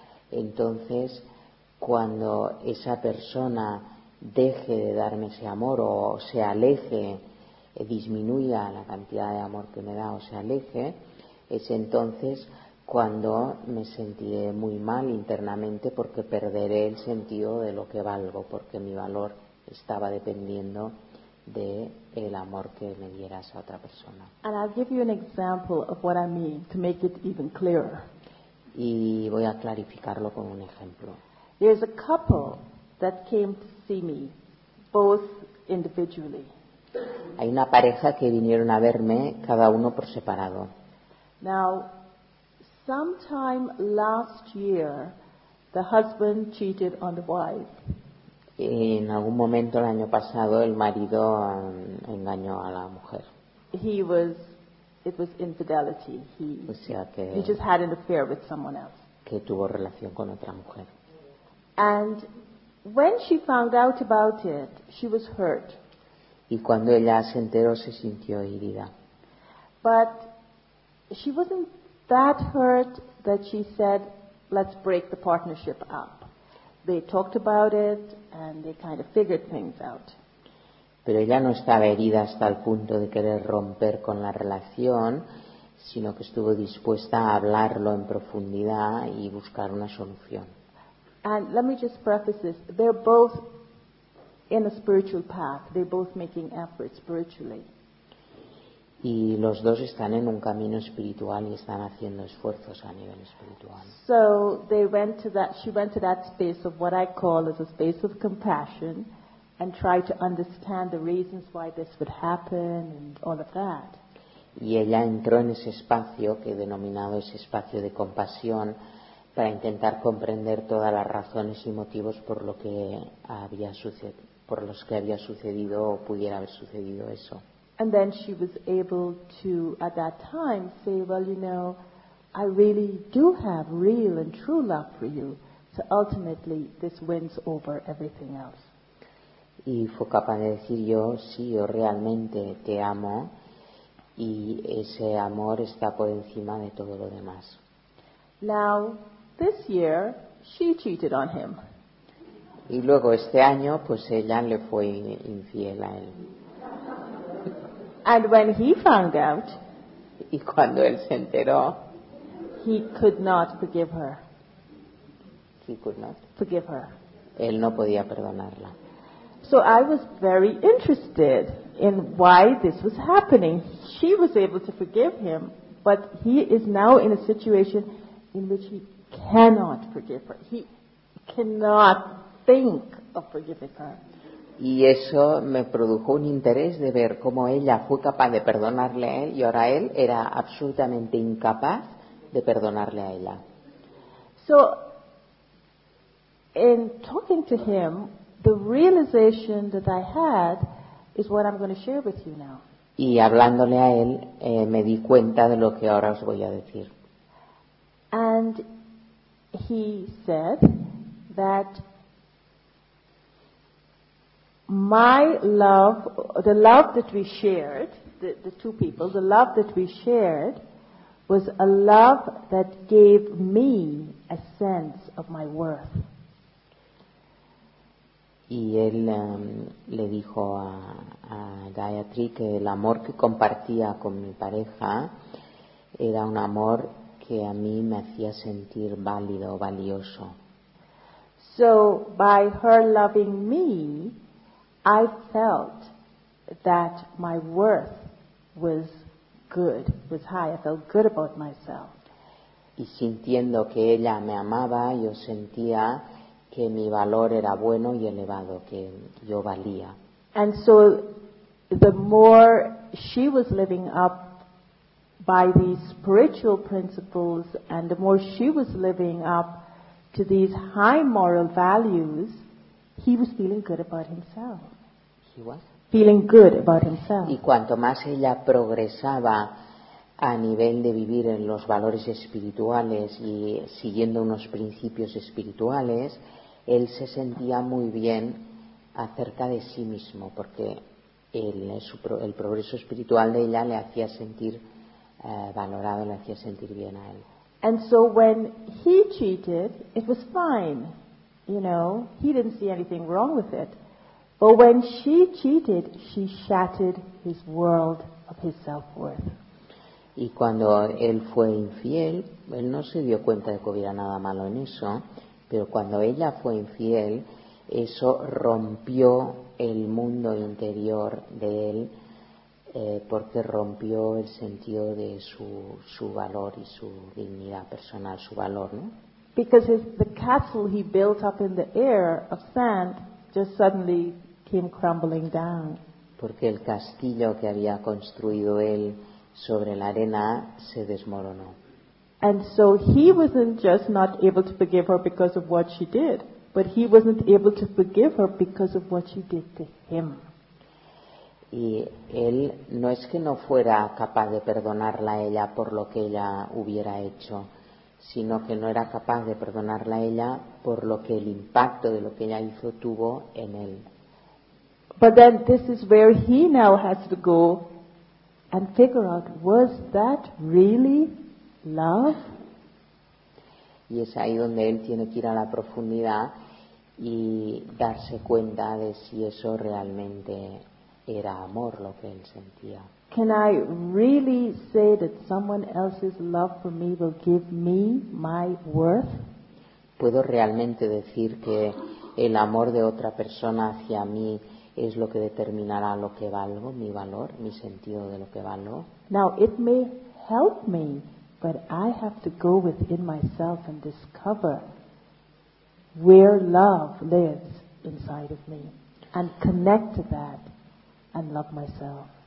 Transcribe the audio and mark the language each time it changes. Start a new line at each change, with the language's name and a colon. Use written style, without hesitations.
Spanish: entonces cuando esa persona deje de darme ese amor o se aleje, disminuya la cantidad de amor que me da o se aleje, es entonces cuando me sentiré muy mal internamente porque perderé el sentido de lo que valgo, porque mi valor estaba dependiendo de el amor que me diera esa otra persona.
English: And I'll give you an example of what I mean to make it even clearer.
Spanish: Y voy a clarificarlo con un ejemplo.
English: There's a couple that came to see me, both individually.
Spanish: Hay una pareja que vinieron a verme, cada uno por separado.
English: Now, sometime last year, the husband cheated on the wife.
Spanish: Y en algún momento el año pasado, el marido engañó a la mujer.
English: It was infidelity.
Spanish: O sea que
English: he just had an affair with someone else.
Spanish: Que tuvo relación con otra mujer.
English: And when she found out about it, she was hurt.
Spanish: Y cuando ella se enteró, se sintió herida.
English: But she wasn't that hurt that she said, let's break the partnership up. They talked about it and they kind of figured things out.
Spanish: Pero ella no estaba herida hasta el punto de querer romper con la relación, sino que estuvo dispuesta a hablarlo en profundidad y buscar una solución.
English: And let me just preface this. They're both in a spiritual path. They're both making efforts spiritually.
Spanish: Y los dos están en un camino espiritual y están haciendo esfuerzos a nivel espiritual.
English: So they went to that, she went to that space of what I call as a space of compassion and tried to understand the reasons why this would happen and all of that.
Spanish: Y ella entró en ese espacio que he denominado ese espacio de compasión para intentar comprender todas las razones y motivos por lo que había sucedido, por los que había sucedido o pudiera haber sucedido eso.
English: And then she was able to, at that time, say, well, you know, I really do have real and true love for you. So ultimately, this wins over everything else.
Spanish: Y fue capaz de decir yo, sí, yo realmente te amo, y ese amor está por encima de todo lo demás.
English: Now, this year, she cheated on him.
Spanish: Y luego este año, pues ella le fue infiel a él.
English: And when he found out,
Spanish: y cuando él se enteró,
English: he could not forgive her. He could not forgive her.
Spanish: Él no podía perdonarla.
English: So I was very interested in why this was happening. She was able to forgive him, but he is now in a situation in which he cannot forgive her. He cannot think of forgiving her.
Spanish: Y eso me produjo un interés de ver cómo ella fue capaz de perdonarle a él y ahora él era absolutamente incapaz de perdonarle a ella.
English: So, in talking to him, the realization that I had is what I'm going to share with you now.
Spanish: Y hablándole a él, me di cuenta de lo que ahora os voy a decir.
English: And he said that my love, the love that we shared, the two people, the love that we shared was a love that gave me a sense of my worth.
Spanish: Y él le dijo a Gayatri que el amor que compartía con mi pareja era un amor que a mí me hacía sentir válido, valioso.
English: So, by her loving me, I felt that my worth was good, was high. I felt good about myself.
Spanish: Y sintiendo que ella me amaba, yo sentía que mi valor era bueno y elevado, que yo valía.
English: And so, the more she was living up by these spiritual principles, and the more she was living up to these high moral values, he was feeling good about himself. He was? Feeling good about himself.
Spanish: Y cuanto más ella progresaba a nivel de vivir en los valores espirituales y siguiendo unos principios espirituales, él se sentía muy bien acerca de sí mismo, porque el progreso espiritual de ella le hacía sentir valorado, le hacía sentir bien a él.
English: And so when he cheated, it was fine, you know, he didn't see anything wrong with it. But when she cheated, she shattered his world of his self-worth.
Spanish: Y cuando él fue infiel, él no se dio cuenta de que hubiera nada malo en eso, pero cuando ella fue infiel, eso rompió el mundo interior de él. Porque rompió el sentido de su valor y su dignidad personal, su valor, ¿no?
English: Because the castle he built up in the air of sand just suddenly came crumbling down.
Spanish: Porque el castillo que había construido él sobre la arena se desmoronó.
English: And so he wasn't just not able to forgive her because of what she did, but he wasn't able to forgive her because of what she did to him.
Spanish: Y él no es que no fuera capaz de perdonarla a ella por lo que ella hubiera hecho, sino que no era capaz de perdonarla a ella por lo que el impacto de lo que ella hizo tuvo en él.
English: But then this is where he now has to go and figure out, was that really love?
Spanish: Y es ahí donde él tiene que ir a la profundidad y darse cuenta de si eso realmente era amor lo que él sentía.
English: Can I really say that someone else's love for me will give me my worth?
Spanish: ¿Puedo realmente decir que el amor de otra persona hacia mí es lo que determinará lo que valgo, mi valor, mi sentido de lo que valgo?
English: Now it may help me, but I have to go within myself and discover where love lives inside of me and connect to that and love myself.